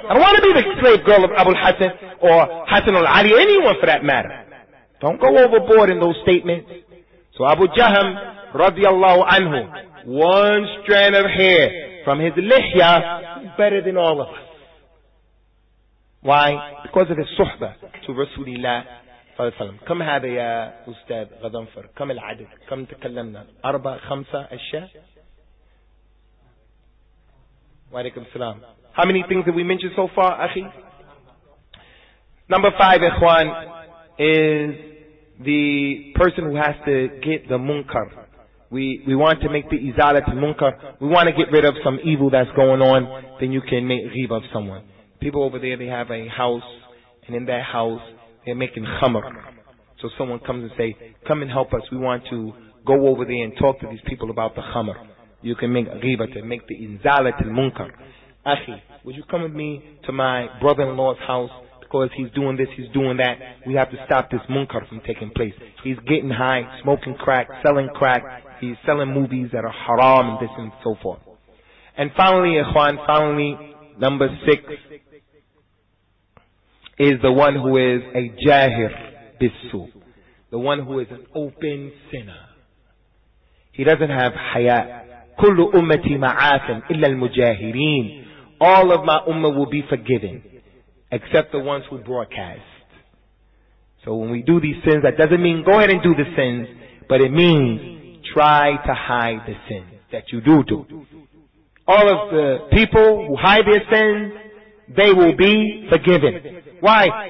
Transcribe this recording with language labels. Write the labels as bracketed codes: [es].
[en] I don't want to be the slave girl of Abu al-Hasan or Hasan al-Ali, anyone for that matter. Don't go overboard in those statements. So Abu Jahm, radiallahu anhu, one strand of hair from his lihya, better than all of us. Why? Because of his suhbah to Rasulullah. [ar] كم هذا يا أستاذ غضنفر؟ كم العدد؟ كم تكلمنا؟ أربعة خمسة أشياء؟ وعليكم السلام. [en] How many things have we mentioned so far, أخي؟ Number five, إخوان, is the person who has to get the munkar. We want to make the [ar] إزالة المنكر. [en] We want to get rid of some evil that's going on. Then you can make ghibah of someone. People over there, they have a house, and in that house, they're making khamr. So someone comes and say, come and help us. We want to go over there and talk to these people about the khamr. You can make ghibah to make the inzalat al-munkar. Akhi, would you come with me to my brother-in-law's house? Because he's doing this, he's doing that. We have to stop this munkar from taking place. He's getting high, smoking crack, selling crack. He's selling movies that are haram and this and so forth. And finally, ikhwan, finally, number six, is the one who is a jahir bisu, the one who is an open sinner. He doesn't have haya, [ar] كل أمتي معافا إلا المجاهرين. [en] All of my ummah will be forgiven except the ones who broadcast. So when we do these sins, that doesn't mean go ahead and do the sins, but it means try to hide the sins that you do do. All of the people who hide their sins, they will be forgiven. Why?